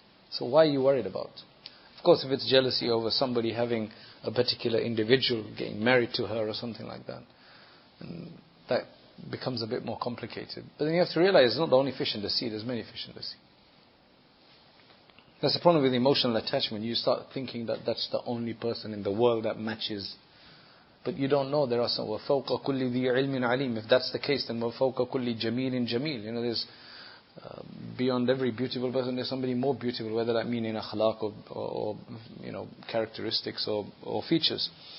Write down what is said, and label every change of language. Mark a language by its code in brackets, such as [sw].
[en] So why are you worried about? Of course, if it's jealousy over somebody having a particular individual getting married to her or something like that, and that becomes a bit more complicated. But then you have to realize it's not the only fish in the sea. There's many fish in the sea. That's the problem with emotional attachment. You start thinking that that's the only person in the world that matches. But you don't know. There are some. [ar] وَفَوْقَ كُلِّ ذِي عِلْمٍ عَلِيمٍ. [en] If that's the case, then [ar] وَفَوْقَ كُلِّ جَمِيلٍ جَمِيلٍ. [en] You know, there's beyond every beautiful person, there's somebody more beautiful, whether that mean in akhlaq or you know, characteristics or features.